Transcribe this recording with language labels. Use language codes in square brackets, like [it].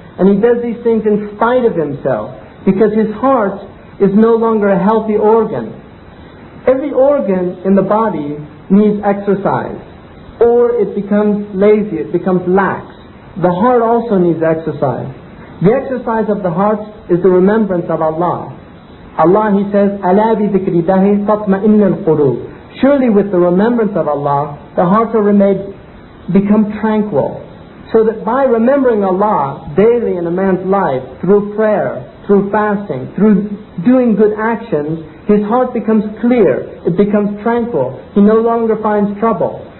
[en] And he does these things in spite of himself, because his heart is no longer a healthy organ. Every organ in the body needs exercise, or it becomes lazy, it becomes lax. The heart also needs exercise. The exercise of the heart is the remembrance of Allah. Allah, he says, [ar] أَلَا بِذِكْرِ دَهِ تَطْمَئِنَّ الْقُلُوبِ. [en] Surely with the remembrance of Allah, the hearts are made, become tranquil. So that by remembering Allah daily in a man's life, through prayer, through fasting, through doing good actions, his heart becomes clear, it becomes tranquil, he no longer finds trouble.